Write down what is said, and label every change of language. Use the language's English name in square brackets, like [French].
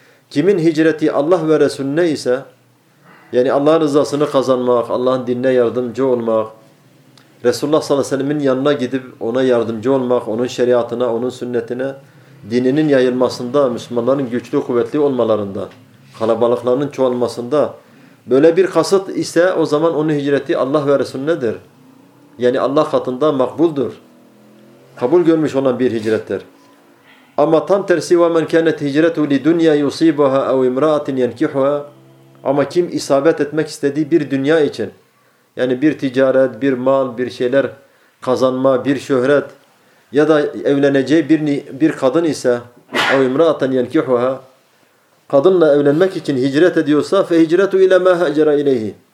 [Turkish] Kimin hicreti Allah ve Resulüne ise, yani Allah'ın rızasını kazanmak, Allah'ın dinine yardımcı olmak, Resulullah sallallahu aleyhi ve sellem'in yanına gidip ona yardımcı olmak, onun şeriatına, onun sünnetine, dininin yayılmasında, Müslümanların güçlü, kuvvetli olmalarında, kalabalıklarının çoğalmasında, böyle bir kasıt ise o zaman onun hicreti Allah ve Resulünedir. Yani Allah katında makbuldur. Kabul görmüş olan bir hicrettir. Ama tam tersi, [Arabic] وَمَنْ كَانَتْ هِجْرَتُهُ لِدُنْيَا يُصِيبُهَا اَوْ اِمْرَاتٍ يَنْكِحُهَا. [Turkish] Ama kim isabet etmek istediği bir dünya için, yani bir ticaret, bir mal, bir şeyler kazanma, bir şöhret ya da evleneceği bir kadın ise, [Arabic] اَوْ اِمْرَاتٍ يَنْكِحُهَا, [Turkish] kadınla evlenmek için hicret ediyorsa, [Arabic] فَهِجْرَتُهُ اِلَى مَا هَجَرَ اِلَيْهِ.